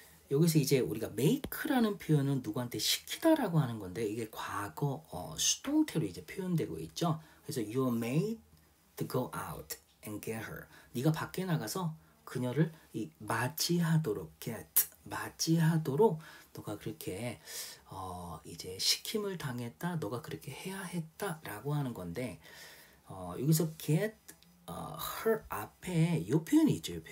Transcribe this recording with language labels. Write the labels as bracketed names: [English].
[Korean] 여기서 이제 우리가 make라는 표현은 누구한테 시키다라고 하는 건데, 이게 과거 수동태로 이제 표현되고 있죠. 그래서 [English] you made to go out and get her. [Korean] 네가 밖에 나가서 그녀를 이 맞이하도록 get 맞이하도록 너가 그렇게 이제 시킴을 당했다. 너가 그렇게 해야 했다라고 하는 건데, 여기서 get her 앞에 요 표현이 있죠.